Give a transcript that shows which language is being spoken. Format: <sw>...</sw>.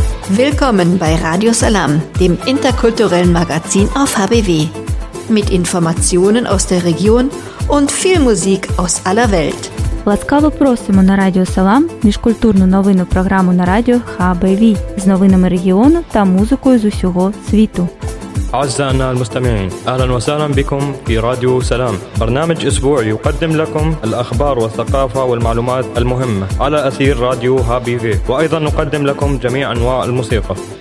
<de>Willkommen bei Radio Salam, dem interkulturellen Magazin auf HBW. Mit Informationen aus der Region und viel Musik aus aller Welt.</de> <uk>Ласкаво просимо на Радіо Салам міжкультурну новинну програму на радіо HBV з новинами регіону та музикою з усього світу.</uk> <ar>أعزائنا المستمعين أهلا وسهلا بكم في راديو سلام برنامج أسبوع يقدم لكم الأخبار والثقافة والمعلومات المهمة على أثير راديو هابي في وأيضا نقدم لكم جميع أنواع الموسيقى</ar>